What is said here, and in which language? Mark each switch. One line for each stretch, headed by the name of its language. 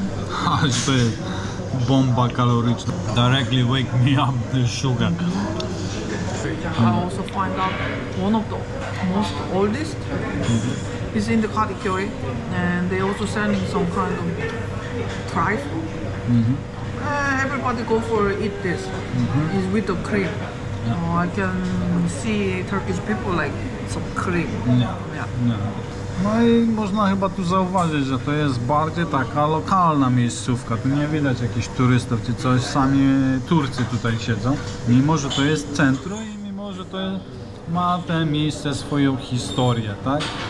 Polish: Chodź, to jest bomba kaloryczna.
English: Directly wake me up the sugar. I also find out one of the most oldest is in the category, and they also selling some kind of trifle. Everybody go for eat this. It's with the cream. I can see Turkish people like some cream.
Polish: No i można chyba tu zauważyć, że to jest bardziej taka lokalna miejscówka. Tu nie widać jakichś turystów czy coś, sami Turcy tutaj siedzą. Mimo że to jest centrum i mimo że to ma te miejsce swoją historię, tak?